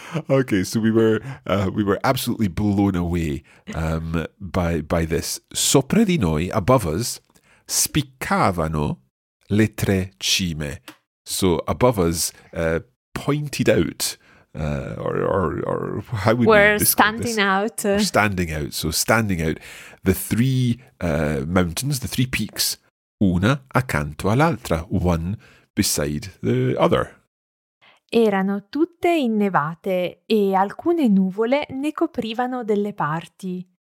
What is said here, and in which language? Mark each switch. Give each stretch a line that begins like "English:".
English: Okay, so we were absolutely blown away by this.
Italian: Sopra di noi,
English: above us,
Italian: spiccavano le tre cime.
English: So above us, pointed out, or how would we describe this? We're standing out. So standing out, the three mountains, the three peaks,
Italian: una accanto all'altra,
English: one beside the other.
Italian: Erano tutte innevate e alcune nuvole ne coprivano delle parti.